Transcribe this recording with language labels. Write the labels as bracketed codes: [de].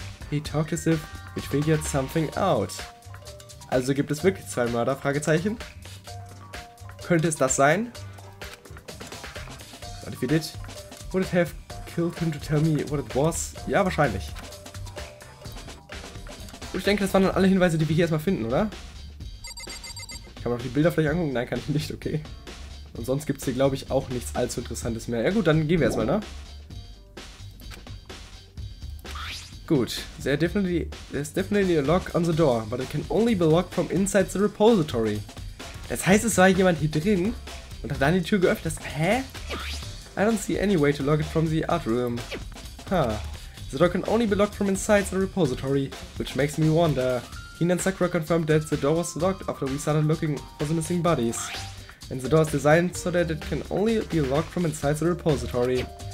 [en] He talked as if he'd figured something out. [de] Also gibt es wirklich zwei Mörder? Fragezeichen. Könnte es das sein? [en] But if he did, would it have killed him to tell me what it was? [de] Ja, wahrscheinlich. Ich denke, das waren dann alle Hinweise, die wir hier erstmal finden, oder? Kann man auch die Bilder vielleicht angucken? Nein, kann ich nicht, okay. Und sonst gibt es hier, glaube ich, auch nichts allzu Interessantes mehr. Ja gut, dann gehen wir erstmal, ne? [en] Gut, there's definitely a lock on the door, but it can only be locked from inside the repository. [de] Das heißt, es war jemand hier drin und hat dann die Tür geöffnet. Das, hä? [en] I don't see any way to lock it from the art room. Huh. The door can only be locked from inside the repository, which makes me wonder. Hina and Sakura confirmed that the door was locked after we started looking for the missing bodies. And the door is designed so that it can only be locked from inside the repository.